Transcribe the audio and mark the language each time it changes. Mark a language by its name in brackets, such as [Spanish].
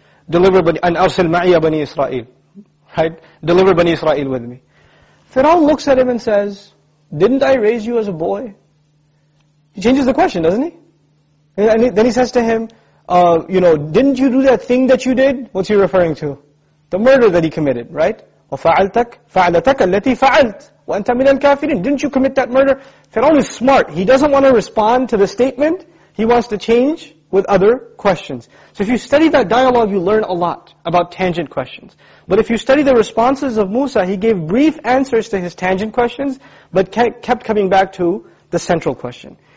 [English] Deliver Bani, and [Arabic] arsil ma'iya [English] Bani Israel. Right? Deliver Bani Israel with me. Fir'aun looks at him and says, didn't I raise you as a boy? He changes the question, doesn't he? And then he says to him, didn't you do that thing that you did? What's he referring to? The murder that he committed, right? [Arabic] وَفَعَلْتَكْ فَعَلَتَكَ الَّتِي فَعَلْتَ وَأَنْتَ مِنَ الْكَافِرِينَ [English] Didn't you commit that murder? Fir'aun is smart. He doesn't want to respond to the statement. He wants to change with other questions. So if you study that dialogue, you learn a lot about tangent questions. But if you study the responses of Musa, he gave brief answers to his tangent questions, but kept coming back to the central question.